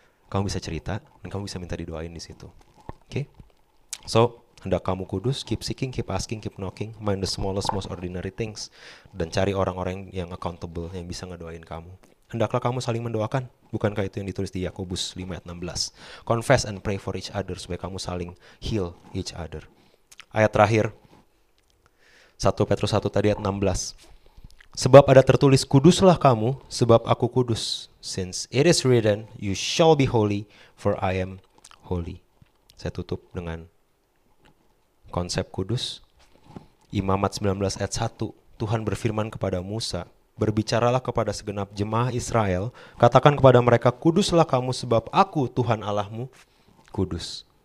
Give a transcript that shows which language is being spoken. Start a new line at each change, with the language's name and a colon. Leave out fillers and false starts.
Indonesian: Kamu bisa cerita, dan kamu bisa minta didoain di situ. Oke? Okay?
English: So,
Indonesian: hendak kamu kudus,
English: keep seeking, keep asking, keep knocking. Mind the smallest, most ordinary things.
Indonesian: Dan cari orang-orang yang accountable, yang bisa ngedoain kamu. Hendaklah kamu saling mendoakan. Bukankah itu yang ditulis di Yakobus 5:16?
English: Confess and pray for each other,
Indonesian: supaya kamu saling
English: heal each other.
Indonesian: Ayat terakhir, 1 Petrus 1 tadi ayat 16. Sebab ada tertulis, kuduslah kamu, sebab aku kudus.
English: Since it is written, you shall be holy, for I am holy.
Indonesian: Saya tutup dengan konsep kudus. Imamat 19 ayat 1, Tuhan berfirman kepada Musa, berbicaralah kepada segenap jemaah Israel, katakan kepada mereka, kuduslah kamu sebab aku Tuhan Allahmu kudus.